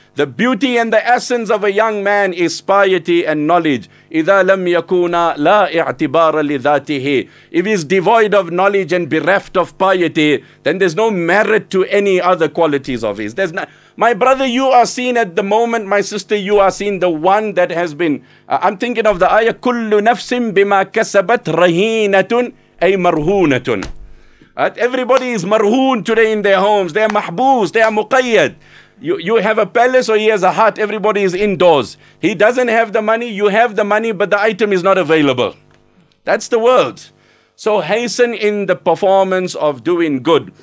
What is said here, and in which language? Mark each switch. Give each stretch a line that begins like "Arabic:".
English: The beauty and the essence of a young man is piety and knowledge.
Arabic: إِذَا لَمْ يَكُونَ لَا اِعْتِبَارَ لِذَاتِهِ.
English: If he's devoid of knowledge and bereft of piety, then there's no merit to any other qualities of his. There's not. My brother, you are seen at the moment. My sister, you are seen the one that has been. I'm thinking of the ayah,
Arabic: كُلُّ نَفْسٍ بِمَا كَسَبَتْ رَهِينَةٌ أَيْ مَرْهُونَةٌ.
English: Everybody is marhoon today in their homes. They are mahboos. They are muqayyad. You have a palace or he has a hut. Everybody is indoors. He doesn't have the money. You have the money, but the item is not available. That's the world. So hasten in the performance of doing good.